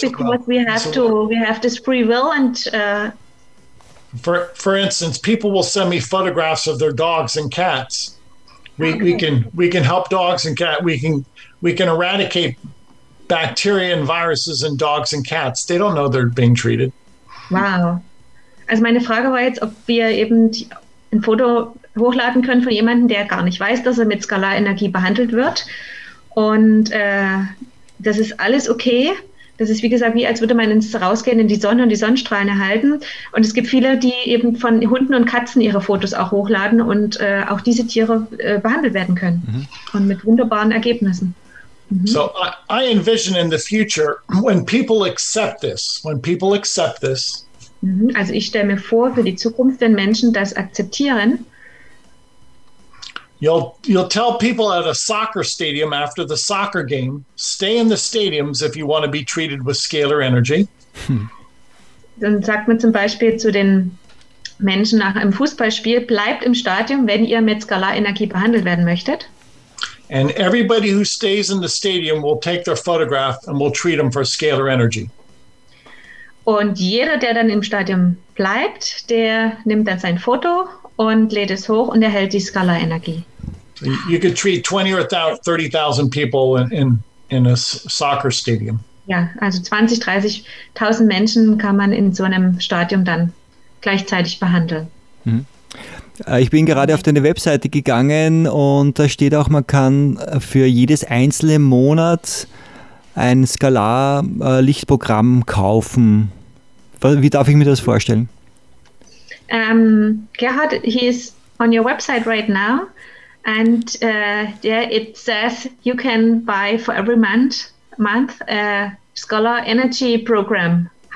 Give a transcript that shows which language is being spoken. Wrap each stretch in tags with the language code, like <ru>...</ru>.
<en>because we have this free will and. For instance, people will send me photographs of their dogs and cats. We can help dogs and cats. We can eradicate bacteria and viruses in dogs and cats. They don't know they're being treated. Wow.</en> <de>Also meine Frage war jetzt, ob wir eben ein Foto hochladen können von jemandem, der gar nicht weiß, dass er mit Skalarenergie behandelt wird. Und das ist alles okay. Das ist, wie gesagt, wie als würde man ins Rausgehen in die Sonne und die Sonnenstrahlen erhalten. Und es gibt viele, die eben von Hunden und Katzen ihre Fotos auch hochladen und auch diese Tiere behandelt werden können. Mhm. Und mit wunderbaren Ergebnissen. Mhm.</de> <en>So, I envision in the future, when people accept this,</en> <de>Also ich stelle mir vor, für die Zukunft, wenn Menschen das akzeptieren,</de> <en>You'll tell people at a soccer stadium after the soccer game, stay in the stadiums if you want to be treated with scalar energy.</en> <de>Dann sagt man zum Beispiel zu den Menschen nach einem Fußballspiel, bleibt im Stadion, wenn ihr mit Skalarenergie behandelt werden möchtet.</de> <en>And everybody who stays in the stadium will take their photograph and will treat them for scalar energy.</en> <de>Und jeder, der dann im Stadion bleibt, der nimmt dann sein Foto und lädt es hoch und erhält die Skalarenergie.</de> <en>You could treat 20 or 30,000 people in a soccer stadium.</en> <de>Ja, also 20, 30,000 Menschen kann man in so einem Stadion dann gleichzeitig behandeln. Ich bin gerade auf deine Webseite gegangen und da steht auch, man kann für jedes einzelne Monat ein Skalar-Lichtprogramm kaufen. Wie darf ich mir das vorstellen?</de> <en>Gerhard, he is on your website right now and yeah, it says you can buy for every month a Scholar Energy Program.</en>